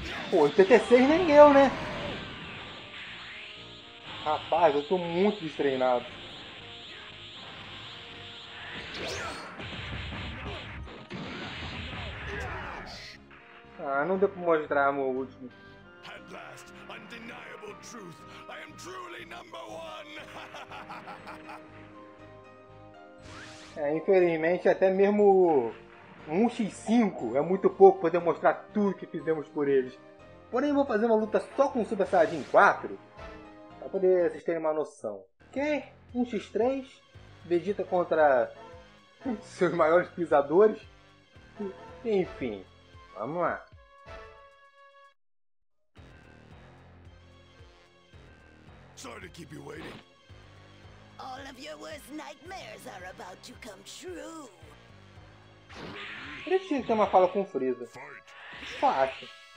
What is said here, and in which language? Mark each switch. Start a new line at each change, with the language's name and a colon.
Portuguese: Pô, o TT6 nem deu, né? Rapaz, eu tô muito destreinado. Ah, não deu pra mostrar meu último.
English: At last, undeniable truth. I am truly number one.
Portuguese: É, infelizmente, até mesmo 1x5 é muito pouco para demonstrar tudo que fizemos por eles. Porém, eu vou fazer uma luta só com o Super Saiyajin 4 para poder vocês terem uma noção. Quer 1x3? Vegeta contra seus maiores pisadores? Enfim, vamos lá. Desculpe te esperar.
English: All of your worst nightmares are about to come true.
Portuguese: Ele tinha que ter uma fala com o Freeza. Fácil.